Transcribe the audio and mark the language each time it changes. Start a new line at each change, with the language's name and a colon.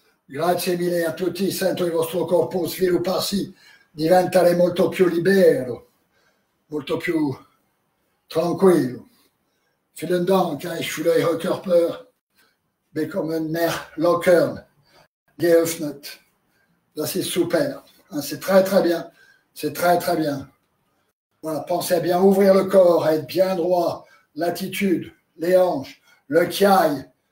Italian: Grazie mille a tutti, sento il vostro corpo svilupparsi, diventare molto più libero, molto più tranquille.
German: Vielen Dank, ich fühle Ihre Körper bekommen mehr locker, geöffnet. Das ist super.
French: C'est très très bien. C'est très très bien. Voilà, pensez à bien ouvrir le corps, à être bien droit, l'attitude, les hanches, le kiai.